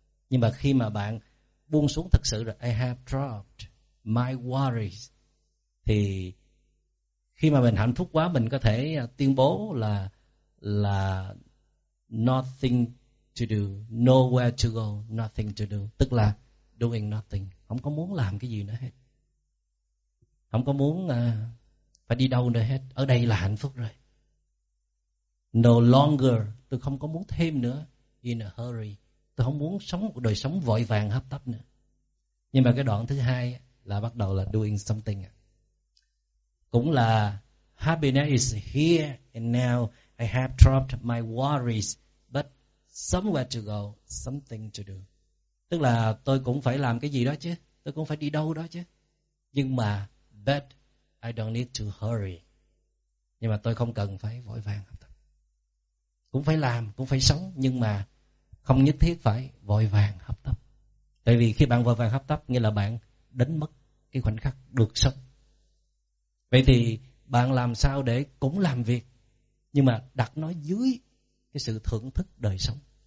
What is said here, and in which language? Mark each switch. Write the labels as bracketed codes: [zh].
[vi] Nhưng mà khi mà bạn buông xuống thật sự rồi, [en] I have dropped my worries, [vi] thì khi mà mình hạnh phúc quá, mình có thể tuyên bố là [en] nothing to do, nowhere to go, nothing to do, [vi] tức là [en] doing nothing, [vi] không có muốn làm cái gì nữa hết, không có muốn phải đi đâu nữa hết, ở đây là hạnh phúc rồi. [en] No longer, [vi] tôi không có muốn thêm nữa, [en] in a hurry, [vi] tôi tôi không muốn sống một đời sống vội vàng hấp tấp nữa. Nhưng mà cái đoạn thứ hai là bắt đầu là [en] doing something. [vi] Cũng là [en] happiness is here and now. I have dropped my worries, but somewhere to go, something to do. [vi] Tức là tôi cũng phải làm cái gì đó chứ, tôi cũng phải đi đâu đó chứ. Nhưng mà, [en] but I don't need to hurry. [vi] Nhưng mà tôi không cần phải vội vàng. Cũng phải làm, cũng phải sống, nhưng mà không nhất thiết phải vội vàng hấp tấp. Tại vì khi bạn vội vàng hấp tấp, nghĩa là bạn đánh mất cái khoảnh khắc được sống. Vậy thì bạn làm sao để cũng làm việc, nhưng mà đặt nó dưới cái sự thưởng thức đời sống.